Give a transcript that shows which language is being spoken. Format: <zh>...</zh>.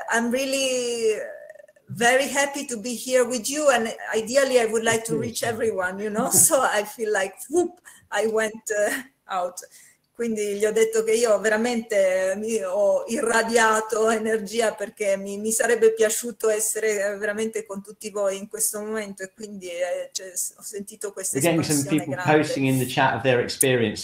<en>I'm really very happy to be here with you, and ideally I would like to reach everyone, you know, so I feel like whoop, I went out.</en> <it>Quindi gli ho detto che io veramente mi ho irradiato energia, perché mi sarebbe piaciuto essere veramente con tutti voi in questo momento, e quindi ho sentito questa espressione.</it> <en>We're getting some people posting in the chat of their experience.</en>